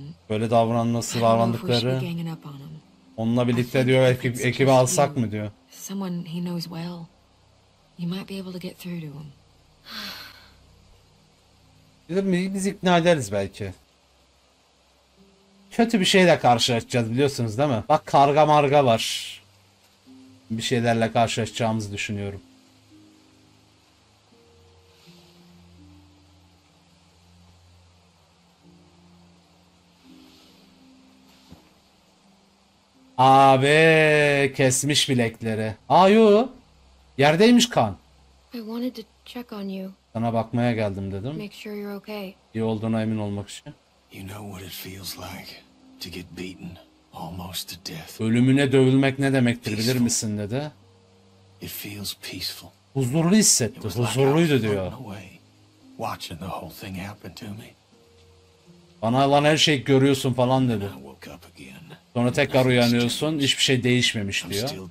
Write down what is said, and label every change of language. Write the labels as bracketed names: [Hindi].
[Turkish] Böyle davranması, davrandıkları. Onunla birlikte diyor ekibi alsak mı diyor. [English] Someone he knows well. You might be able to get through to him. [Turkish] Biz ikna ederiz belki. Kötü bir şeyle karşılaşacağız biliyorsunuz değil mi? Bak karga marga var. Bir şeylerle karşılaşacağımızı düşünüyorum. Abi kesmiş bilekleri. Aa yu. Yerdeymiş kan. Sana bakmaya geldim dedim. İyi olduğuna emin olmak için. [English] You know what it feels like to get beaten almost to death. [Turkish] Ölümüne dövülmek ne demektir bilir misin dedi. [English] It feels peaceful. [Turkish] Huzurlu hissetti. Huzurluydu diyor. [English] Watching the whole thing happen to me. [Turkish] Bana lan her şeyi görüyorsun falan dedi. Sonra tekrar uyanıyorsun, hiçbir şey değişmemiş diyor.